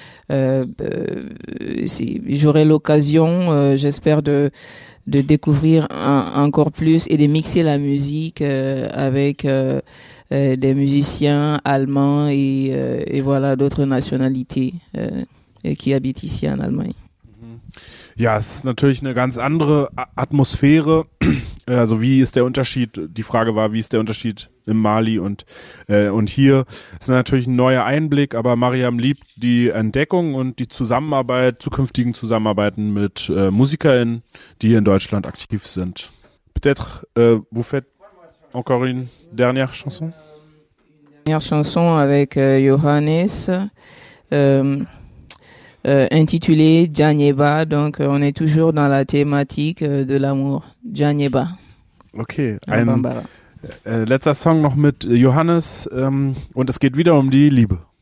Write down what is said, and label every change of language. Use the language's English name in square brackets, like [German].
[French] Si j'aurai l'occasion, j'espère de découvrir encore plus et de mixer la musique avec des musiciens allemands et voilà d'autres nationalités qui habitent ici en Allemagne. [German] Ja, es ist natürlich eine ganz andere Atmosphäre. Also wie ist der Unterschied? Die Frage war, wie ist der Unterschied in Mali und hier? Es ist natürlich ein neuer Einblick, aber Mariam liebt die Entdeckung und die Zusammenarbeit, zukünftigen Zusammenarbeiten mit MusikerInnen, die hier in Deutschland aktiv sind. [French] Peut-être, vous faites encore une dernière chanson? Une dernière chanson avec Johannes. Intitulé Djaneba, donc on est toujours dans la thématique de l'amour. Djaneba. [German] Ok, ein letzter Song noch mit Johannes und es geht wieder um die Liebe.